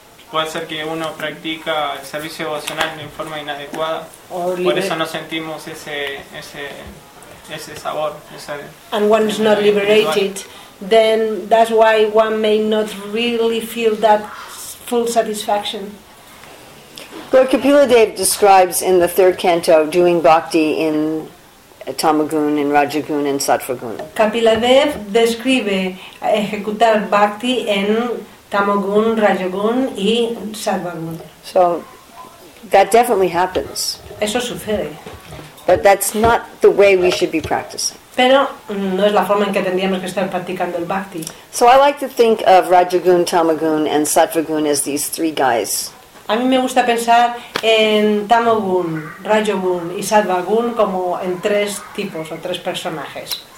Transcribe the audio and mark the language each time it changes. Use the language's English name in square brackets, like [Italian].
[Spanish] Puede ser que uno practica el servicio devocional de forma inadecuada, por eso no sentimos ese sabor. [English] And one is not liberated, then that's why one may not really feel that full satisfaction. Lord Kapila Dev describes in the third canto doing bhakti in Tamagun and Rajagun and Sattvagun. [Spanish] Kapila Dev describe ejecutar bhakti en Tamogun, Rajogun y Sattvagun. [English] So, that definitely happens. [Spanish] Eso sucede. [English] But that's not the way we should be practicing. [Spanish] Pero no es la forma en que tendríamos que estar practicando el bhakti. [English] So I like to think of Rajogun, Tamogun and Sattvagun as these three guys. [Spanish] A mí me gusta pensar en Tamogun, Rajogun y Sattvagun como en tres tipos o tres personajes.